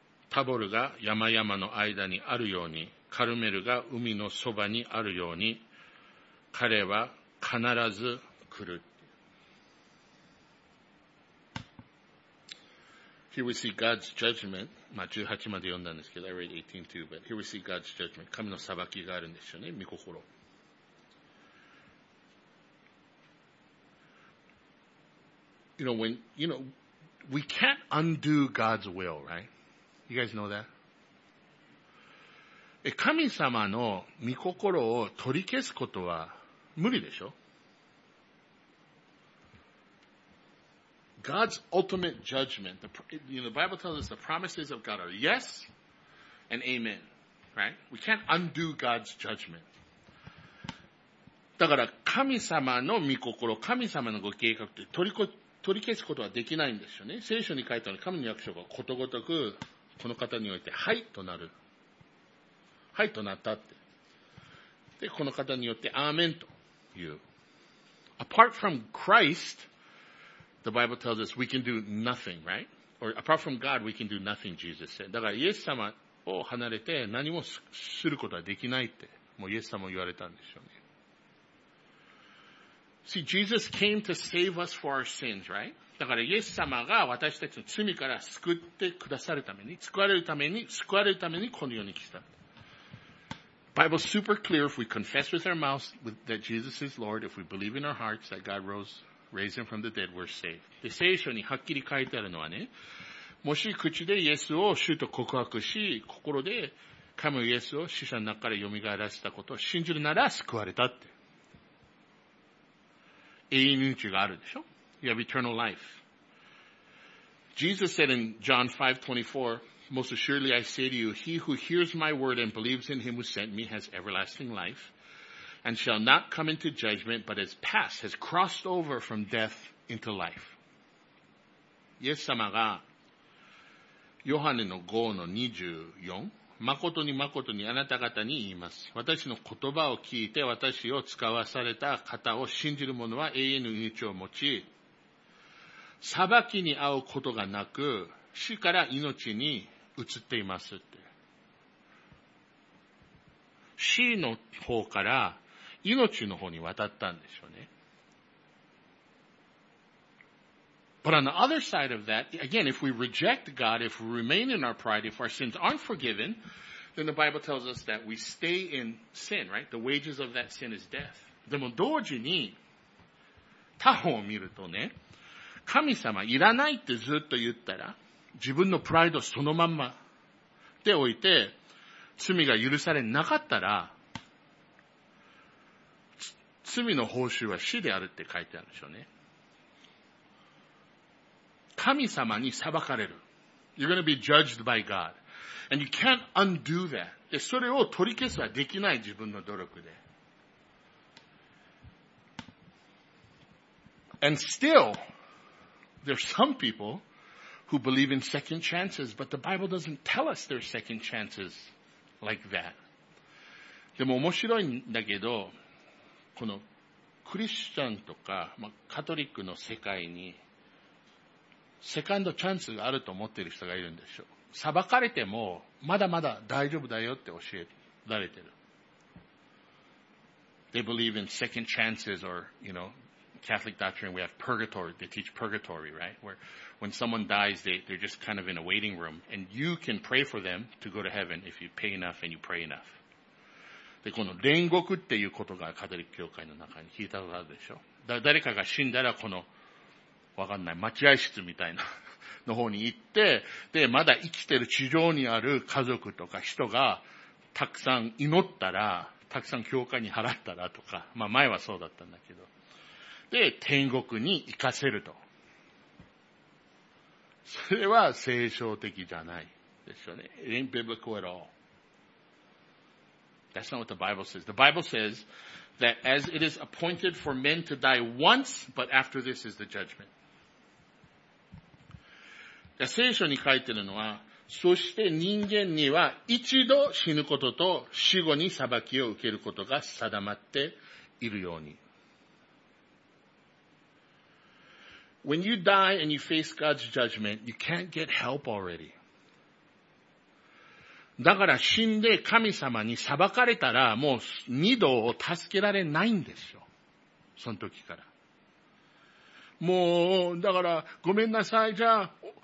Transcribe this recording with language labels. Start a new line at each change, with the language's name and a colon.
Japanese: タボルが山々の間にあるように、カルメルが海のそばにあるように、彼は必ず来る。
English: Here we see God's judgment
Japanese: まあ、18まで読んだんですけど、
English: I read 18 too, but here we see God's judgment.
Japanese: 神の裁きがあるんですよね、御心。
English: You know, when, you know, we can't undo God's will, right? You guys know that?
Japanese: 神様の御心を取り消すことは無理でしょ?
English: God's ultimate judgment, the Bible tells us the promises of God are yes and amen, right? We can't undo God's judgment.
Japanese: だから神様の御心、神様のご計画って取り消すことはできないんですよね。聖書に書いたのに神の約束がことごとくこの方においてはいとなる。はいとなったって。で、この方によってアーメンという。
English: Apart from Christ, the Bible tells us we can do nothing, right? Or apart from God, we can do nothing, Jesus said.
Japanese: だからイエス様を離れて何もすることはできないって、もうイエス様も言われたんですよね。
English: See, Jesus came to save us for our sins, right?
Japanese: だからイエス様が私たちの罪から救ってくださるために、救われるためにこの世に来た。
English: Bible's super clear if we confess with our mouths that Jesus is Lord, if we believe in our hearts that God raised him from the dead, we're saved.
Japanese: で、聖書にはっきり書いてあるのはね、もし口でイエスを主と告白し、心で神イエスを死者の中から蘇らせたことを信じるなら救われたって。永遠命があるでしょ?
English: You have eternal life. Jesus said in John 5:24, Most assuredly I say to you, he who hears my word and believes in him who sent me has everlasting life and shall not come into judgment but has passed, has crossed over from death into life.
Japanese: イエス様がヨハネの5の24まことにまことにあなた方に言います。私の言葉を聞いて私を使わされた方を信じる者は永遠の命を持ち、裁きに遭うことがなく死から命に移っていますって。死の方から命の方に渡ったんでしょうね。
English: But on the other side of that, again, if we reject God, if we remain in our pride, if our sins aren't forgiven, then the Bible tells us that we stay in sin, right? The wages of that sin is death.
Japanese: でも同時に、他方を見るとね、神様いらないってずっと言ったら、自分のプライドそのまんまでおいて、罪が許されなかったら、罪の報酬は死であるって書いてあるでしょうね。神様に裁かれる。
English: You're gonna be judged by God. And you can't undo that.
Japanese: で、それを取り消すはできない自分の努力で。
English: And still, there's some people who believe in second chances, but the Bible doesn't tell us there's second chances like that.
Japanese: でも面白いんだけど、このクリスチャンとか、まあ、カトリックの世界に、セカンドチャンスがあると思っている人がいるんでしょう。裁かれても、まだまだ大丈夫だよって教えられてる。
English: They believe in second chances or, you know, Catholic doctrine, we have purgatory, they teach purgatory, right? Where, when someone dies, they're just kind of in a waiting room, and you can pray for them to go to heaven if you pay enough and you pray enough.
Japanese: で、この煉獄っていうことがカトリック教会の中に聞いたことあるでしょ。誰かが死んだらこの、わかんない。待合室みたいな、の方に行って、で、まだ生きてる地上にある家族とか人が、たくさん祈ったら、たくさん教会に払ったらとか、まあ前はそうだったんだけど。で、天国に行かせると。それは聖書的じゃないですよね。
English: It ain't biblical at all. That's not what the Bible says. The Bible says that as it is appointed for men to die once, but after this is the judgment.
Japanese: 聖書に書いてるのは、そして人間には一度死ぬことと死後に裁きを受けることが定まっているように。
English: When you die and you face God's judgment, you can't get help already.
Japanese: だから死んで神様に裁かれたらもう二度助けられないんですよ。その時から。もう、だからごめんなさい、じゃあ、